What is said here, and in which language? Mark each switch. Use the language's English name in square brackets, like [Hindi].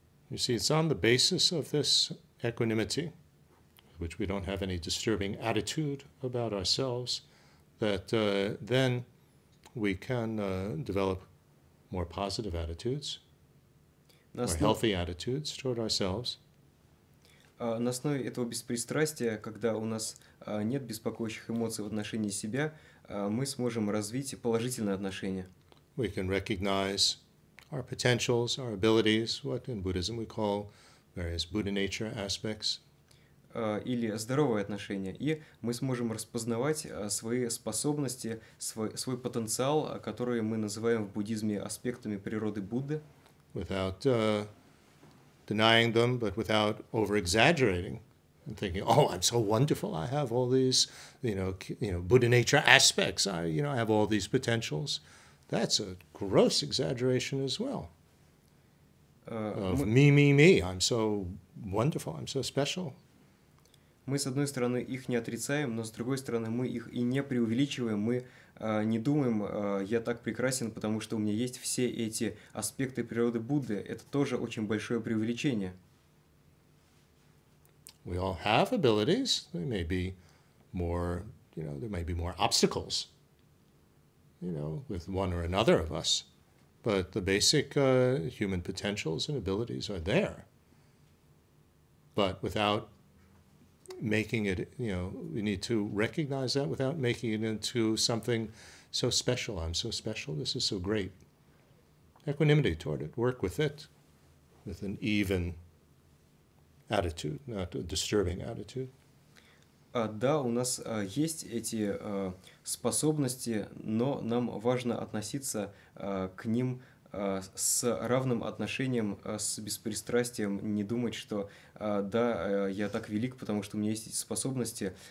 [English] You see, it's on the basis of this equanimity, which we don't have any disturbing attitude about ourselves, that then we can develop more positive attitudes, more healthy attitudes toward ourselves. [Russian] На основе этого беспристрастия, когда у нас нет беспокоящих эмоций в отношении себя, мы сможем развить положительные отношения. [English] We can recognize our potentials, our abilities, what in Buddhism we call various Buddha nature aspects. [Russian] Или здоровые отношения. И мы сможем распознавать свои способности, свой потенциал, который мы называем в буддизме аспектами природы Будды. [English] Without denying them, but without over-exaggerating and thinking, oh, I'm so wonderful, I have all these, you know, Buddha nature aspects, I have all these potentials. That's a gross exaggeration as well. of me, me, me. I'm so wonderful. I'm so special. [Russian] Мы, с одной стороны, их не отрицаем, но, с другой стороны, мы их и не преувеличиваем. Мы не думаем, я так прекрасен, потому что у меня есть все эти аспекты природы Будды. Это тоже очень большое преувеличение. [English] We all have abilities. There may be more, you know, there may be more obstacles, you know, with one or another of us. But the basic human potentials and abilities are there. But without making it, you know, we need to recognize that without making it into something so special. I'm so special. This is so great. Equanimity toward it. Work with it with an even attitude, not a disturbing attitude. [Russian] Да, у нас есть эти способности, но нам важно относиться к ним с равным отношением, с беспристрастием, не думать, что да, я так велик, потому что у меня есть эти способности.